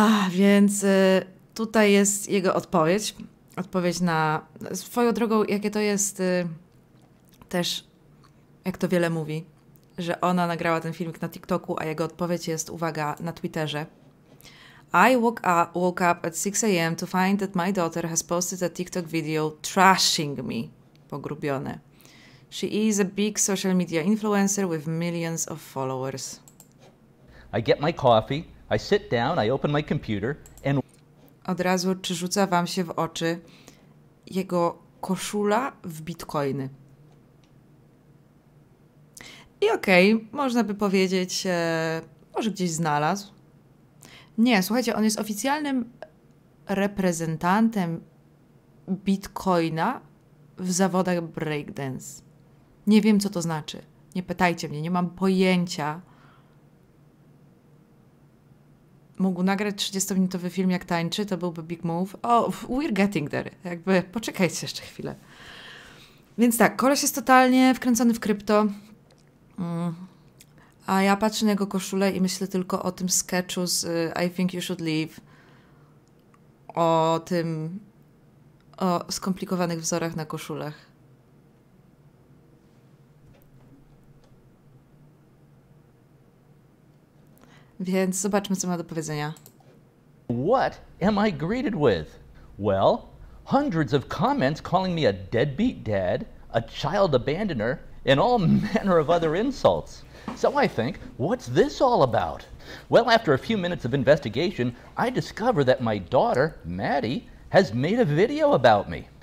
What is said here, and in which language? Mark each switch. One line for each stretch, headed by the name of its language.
Polish: Więc tutaj jest jego odpowiedź. Odpowiedź na swoją drogą, jakie to jest też, jak to wiele mówi, że ona nagrała ten filmik na TikToku, a jego odpowiedź jest, uwaga, na Twitterze.
English: I woke up at 6 a.m. to find that my daughter has posted a TikTok video trashing me.
Polish: Pogrubione.
English: She is a big social media influencer with millions of followers. I get my coffee. I sit down, I open my computer and...
Polish: Od razu, czy rzuca wam się w oczy jego koszula w bitcoiny? I okej, można by powiedzieć, może gdzieś znalazł. Nie, słuchajcie, on jest oficjalnym reprezentantem bitcoina w zawodach breakdance. Nie wiem, co to znaczy. Nie pytajcie mnie, nie mam pojęcia. Mógł nagrać 30-minutowy film, jak tańczy, to byłby big move.
English: Oh, we're getting there.
Polish: Jakby, poczekajcie jeszcze chwilę. Więc tak, koleś jest totalnie wkręcony w krypto. A ja patrzę na jego koszulę i myślę tylko o tym sketchu z I Think You Should Leave. O tym... O skomplikowanych wzorach na koszulach. Więc zobaczmy, co ma do powiedzenia.
English: What am I greeted with? Well, hundreds of comments calling me a deadbeat dad, a child abandoner, and all manner of other insults. So I think, what's this all about? Well, after a few minutes of investigation, I discover that my daughter, Maddie, has made a video about me.